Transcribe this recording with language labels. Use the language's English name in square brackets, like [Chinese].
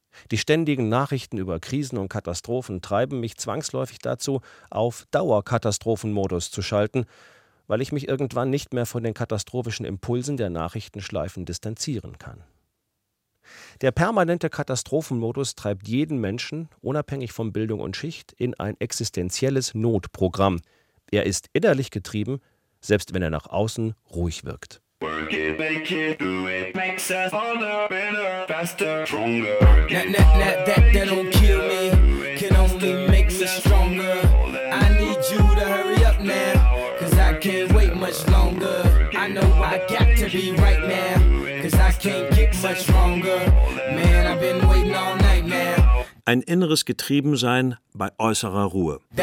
[German] Die ständigen Nachrichten über Krisen und Katastrophen treiben mich zwangsläufig dazu, auf Dauerkatastrophenmodus zu schalten, weil ich mich irgendwann nicht mehr von den katastrophischen Impulsen der Nachrichtenschleifen distanzieren kann. Der permanente Katastrophenmodus treibt jeden Menschen, unabhängig von Bildung und Schicht, in ein existenzielles Notprogramm. Er ist innerlich getrieben, selbst wenn er nach außen ruhig wirkt. [English] Work it, make it, do it, makes us harder, better, faster, stronger. That don't kill me, can only make us stronger. I need you to hurry up, man, 'cause I can't wait much longer. I know I got to be right, man, 'cause I can't get much stronger. Man, I've been waiting all [German] ein inneres Getriebensein bei äußerer Ruhe.